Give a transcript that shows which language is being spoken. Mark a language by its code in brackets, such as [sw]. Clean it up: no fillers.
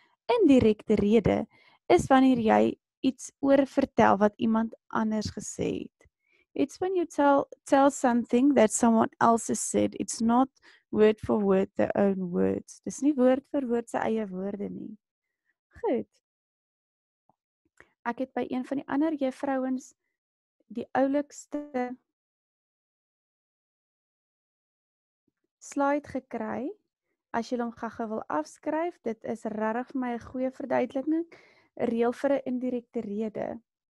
[af] Indirekte rede is wanneer jy iets oor vertel wat iemand anders gesê het. [en] It's when you tell something that someone else has said. It's not word for word their own words. [af] Dis nie woord vir woord se eie woorde nie. Goed. Ek het by een van die ander juffrouens die oulikste slide gekry, as jy hom gou wil afskryf, dit is regtig vir my 'n goeie verduideliking, reël vir 'n indirekte rede.